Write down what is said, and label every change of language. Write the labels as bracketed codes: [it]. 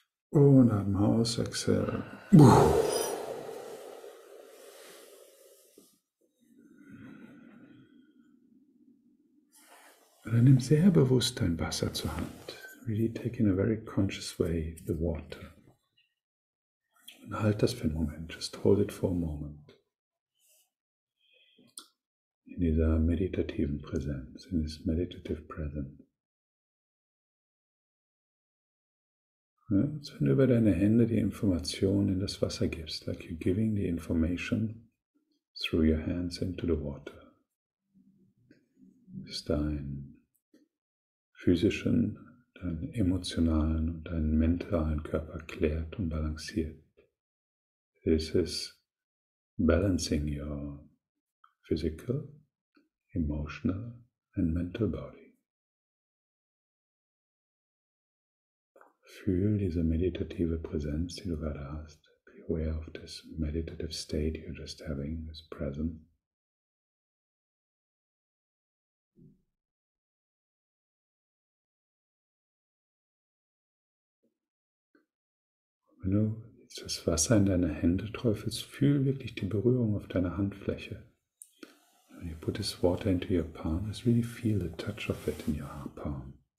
[de] Und atme aus, [en] exhale. [de] Dann nimm sehr bewusst dein Wasser zur Hand. [en] Really take in a very conscious way the water. [de] Und halt das für einen Moment. [en] Just hold it for a moment. [de] In dieser meditativen Präsenz, [en] in this meditative presence. [de] Ja, und wenn du über deine Hände die Information in das Wasser gibst, [en] like you're giving the information through your hands into the water. [de] Ist dein physischen, deinen emotionalen und deinen mentalen Körper klärt und balanciert. [en] This is balancing your physical, emotional and mental body. [de] Fühl diese meditative Präsenz, die du gerade hast. [en] Be aware of this meditative state you're just having, this present. [de] Wenn du jetzt das Wasser in deine Hände träufelst, fühl wirklich die Berührung auf deiner Handfläche. [en] When you put this water into your palm, just really feel the touch of it in your palm.